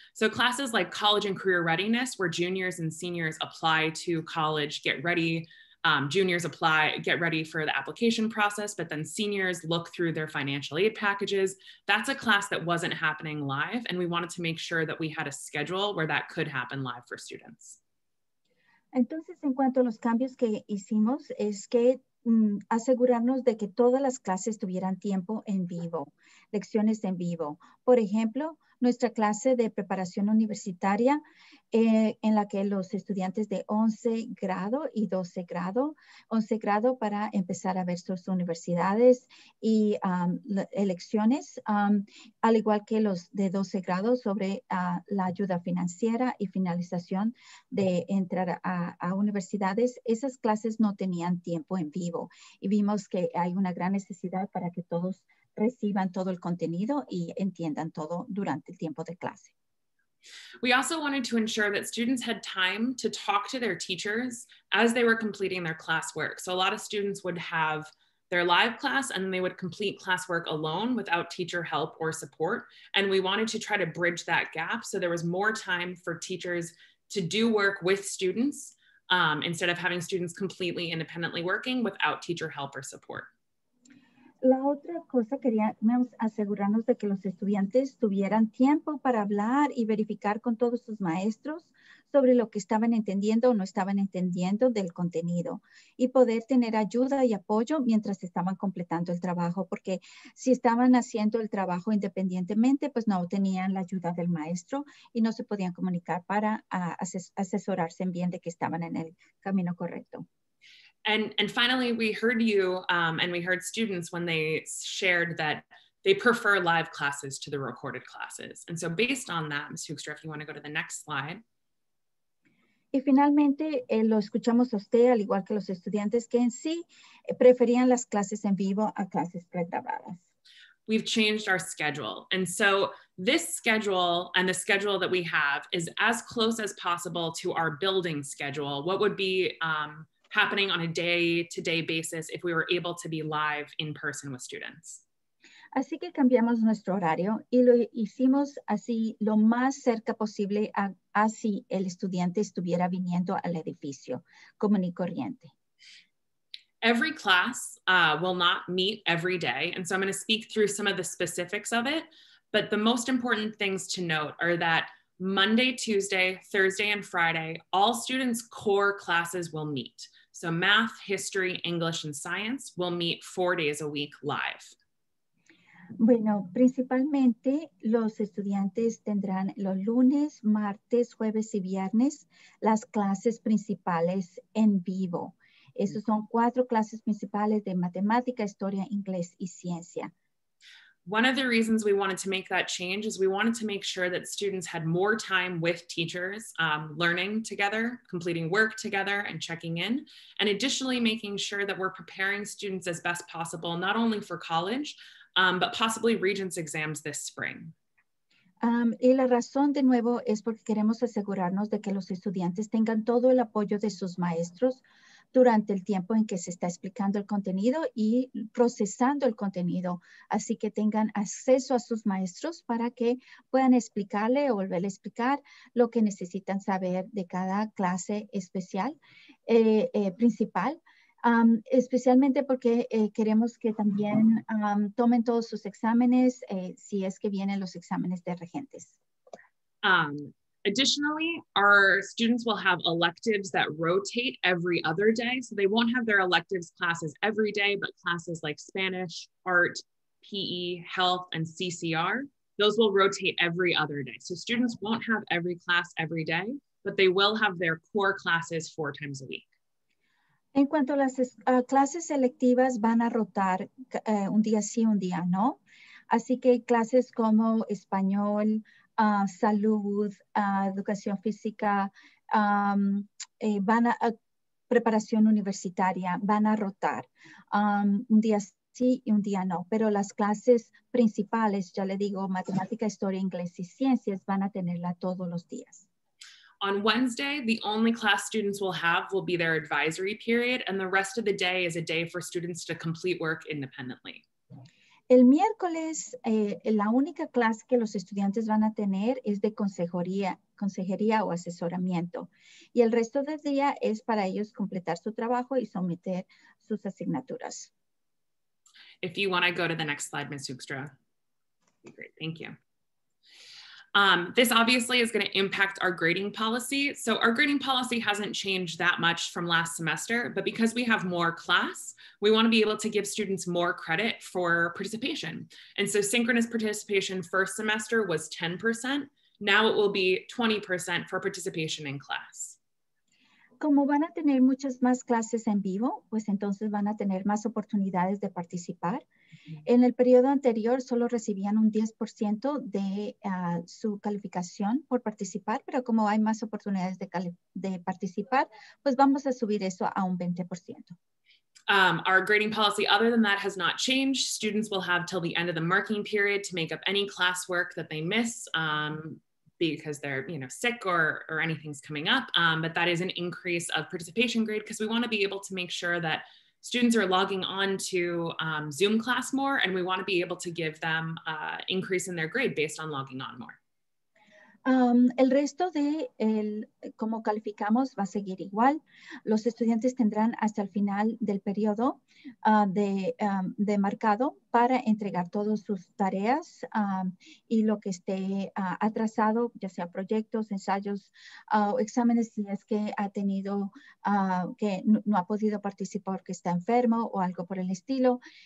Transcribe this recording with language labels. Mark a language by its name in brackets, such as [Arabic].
[English] So classes like college and career readiness, where juniors and seniors apply to college, get ready. Juniors apply, get ready for the application process, but then seniors look through their financial aid packages. That's a class that wasn't happening live, and we wanted to make sure that we had a schedule where that could happen live for students. [Spanish] Entonces, en cuanto a los cambios que hicimos, es que asegurarnos de que todas las clases tuvieran tiempo en vivo, lecciones en vivo. Por ejemplo, nuestra clase de preparación universitaria en la que los estudiantes de 11 grado y 12 grado, 11 grado para empezar a ver sus universidades y elecciones, al igual que los de 12 grado sobre la ayuda financiera y finalización de entrar a universidades, esas clases no tenían tiempo en vivo y vimos que hay una gran necesidad para que todos reciban todo el contenido y entiendan todo durante el tiempo de clase. [English] We also wanted to ensure that students had time to talk to their teachers as they were completing their classwork. So a lot of students would have their live class and they would complete classwork alone without teacher help or support. And we wanted to try to bridge that gap so there was more time for teachers to do work with students instead of having students completely independently working without teacher help or support. [Spanish] La otra cosa, queríamos asegurarnos de que los estudiantes tuvieran tiempo para hablar y verificar con todos sus maestros sobre lo que estaban entendiendo o no estaban entendiendo del contenido y poder tener ayuda y apoyo mientras estaban completando el trabajo, porque si estaban haciendo el trabajo independientemente, pues no tenían la ayuda del maestro y no se podían comunicar para asesorarse bien de que estaban en el camino correcto. [English] And finally, we heard you and we heard students when they shared that they prefer live classes to the recorded classes. And so based on that, Ms. Hoekstra, if you want to go to the next slide. [Spanish] Y finalmente, lo escuchamos a usted, al igual que los estudiantes, que en sí preferían las clases en vivo a clases pregrabadas. [English] We've changed our schedule. And so this schedule and the schedule that we have is as close as possible to our building schedule. What would be happening on a day-to-day basis if we were able to be live in person with students. [Spanish] Así que cambiamos nuestro horario y lo hicimos así lo más cerca posible a si el estudiante estuviera viniendo al edificio común y corriente. [English] Every class will not meet every day, and so I'm going to speak through some of the specifics of it, but the most important things to note are that Monday, Tuesday, Thursday, and Friday, all students' core classes will meet. So math, history, English, and science will meet 4 days a week live. [Spanish] Bueno, principalmente los estudiantes tendrán los lunes, martes, jueves y viernes las clases principales en vivo. Esos son cuatro clases principales de matemática, historia, inglés y ciencia. [English] One of the reasons we wanted to make that change is we wanted to make sure that students had more time with teachers, learning together, completing work together, and checking in. And additionally, making sure that we're preparing students as best possible, not only for college, but possibly Regents exams this spring. [Spanish] Y la razón de nuevo es porque queremos asegurarnos de que los estudiantes tengan todo el apoyo de sus maestros durante el tiempo en que se está explicando el contenido y procesando el contenido, así que tengan acceso a sus maestros para que puedan explicarle o volver a explicar lo que necesitan saber de cada clase especial, principal, especialmente porque queremos que también tomen todos sus exámenes si es que vienen los exámenes de regentes. [English] Additionally, our students will have electives that rotate every other day, so they won't have their electives classes every day, but classes like Spanish, Art, PE, Health, and CCR, those will rotate every other day. So students won't have every class every day, but they will have their core classes 4 times a week. [Spanish] En cuanto a las clases electivas, van a rotar un día sí, un día no. Así que clases como español, salud, educación física, van a preparación universitaria, van a rotar un día sí y un día no. Pero las clases principales, ya le digo, matemática, historia, inglés y ciencias, van a tenerla todos los días. [English] On Wednesday, the only class students will have will be their advisory period, and the rest of the day is a day for students to complete work independently. [Spanish] El miércoles, la única clase que los estudiantes van a tener es de consejería o asesoramiento. Y el resto del día es para ellos completar su trabajo y someter sus asignaturas. [English] If you want to go to the next slide, Ms. Hoekstra. Great, thank you. This obviously is going to impact our grading policy. So our grading policy hasn't changed that much from last semester, but because we have more class, we want to be able to give students more credit for participation. And so synchronous participation first semester was 10%. Now it will be 20% for participation in class. [Spanish] Como van a tener muchas más clases en vivo, pues entonces van a tener más oportunidades de participar. En el periodo anterior solo recibían un 10% de su calificación por participar, pero como hay más oportunidades de participar, pues vamos a subir eso a un 20%. [English] Our grading policy other than that has not changed. Students will have till the end of the marking period to make up any classwork that they miss because they're, you know, sick or anything's coming up. But that is an increase of participation grade because we want to be able to make sure that students are logging on to Zoom class more, and we want to be able to give them an increase in their grade based on logging on more. [Spanish] El resto de el, como calificamos va a seguir igual. Los estudiantes tendrán hasta el final del periodo de marcado para entregar todas sus tareas y lo que esté atrasado, ya sea proyectos, ensayos o exámenes si es que ha tenido, que no ha podido participar, que está enfermo o algo por el estilo.